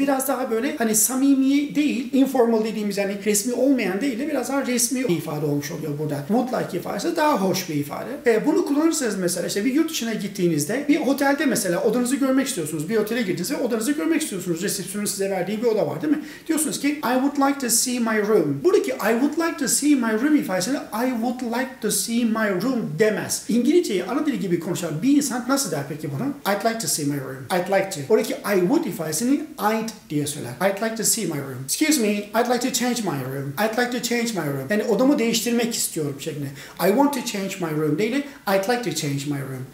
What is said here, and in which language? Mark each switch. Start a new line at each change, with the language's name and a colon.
Turkish: Biraz daha böyle hani samimi değil, informal dediğimiz yani resmi olmayan değil de biraz daha resmi bir ifade olmuş oluyor burada.
English: Would like
Turkish: ifadesi daha hoş bir ifade. Bunu kullanırsanız mesela işte bir yurt dışına gittiğinizde bir otelde mesela odanızı görmek istiyorsunuz. Bir otele girdiniz ve odanızı görmek istiyorsunuz. Resepsiyonun size verdiği bir oda var değil mi? Diyorsunuz ki
English: I would like to see my room.
Turkish: Buradaki
English: I would like to see my room
Turkish: ifadesini
English: I would like to see my room
Turkish: demez. İngilizceyi ana dili gibi konuşan bir insan nasıl der peki bunu?
English: I'd like to see my room. I'd like to.
Turkish: Oradaki
English: I would
Turkish: ifadesini
English: I'd
Turkish: diye söyler.
English: I'd like to see my room. Excuse me. I'd like to change my room. I'd like to change my room.
Turkish: Yani odamı değiştirmek istiyorum şeklinde.
English: I want to change my room
Turkish: değil.
English: I'd like to change my room.